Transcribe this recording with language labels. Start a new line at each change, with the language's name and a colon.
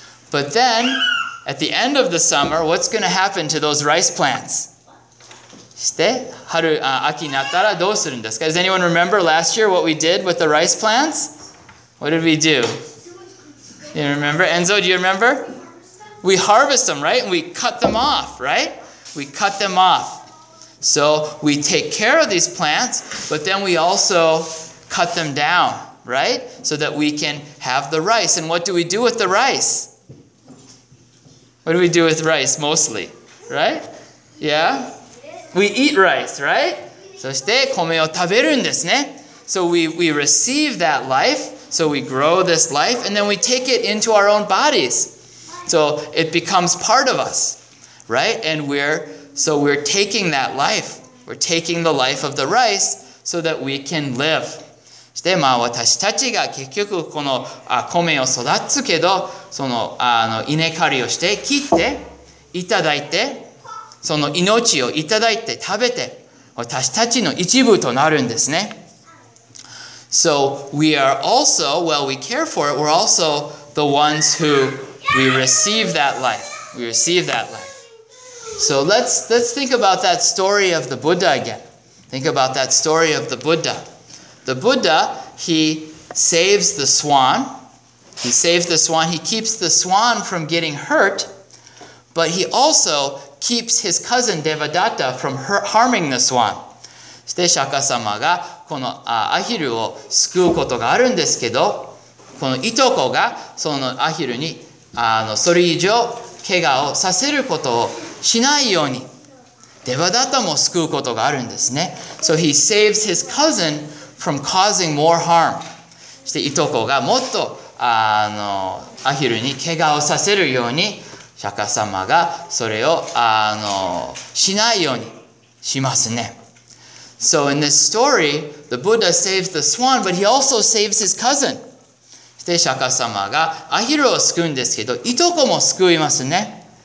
English: But then, at the end of the summer, what's going to happen to those rice plants?
Japanese: して春、秋になったらどうするんですか?
English: Does anyone remember last year what we did with the rice plants? What did we do? You remember? Enzo, do you remember? We harvest them, right? And we cut them off, right? We cut them off. So we take care of these plants, but then we also cut them down, right? So that we can have the rice. And what do we do with the rice? What do we do with rice mostly? Right? Yeah? We eat rice, right?
Japanese: そして米を食べるんですね。
English: So we receive that life, so we grow this life, and then we take it into our own bodies. So it becomes part of us, right? And we're taking that life. We're taking the life of the rice so that we can live.
Japanese: そしてまあ私たちが結局この米を育つけど、その稲刈りをして切っていただいて、その命をいただいて食べて、私たちの一部となるんですね。
English: So we are also, well, we care for it, we're also the ones who we receive that life. We receive that life. So let's think about that story of the Buddha again. Think about that story of the Buddha. The Buddha, he saves the swan. He saves the swan. He keeps the swan from getting hurt, but he also... keeps his cousin Devadatta from harming the swan.
Japanese: そして釈迦様がこのアヒルを救うことがあるんですけど、このいとこがそのアヒルにそれ以上怪我をさせることをしないようにDevadattaも救うことがあるんですね。
English: So he saves his cousin from causing more harm.
Japanese: そしていとこがもっとアヒルに怪我をさせるように釈迦様がそれをしないようにしますね。
English: So in this story, the Buddha saves the swan, but he also saves his cousin.
Japanese: そして釈迦様がアヒルを救うんですけど、いとこも救いますね。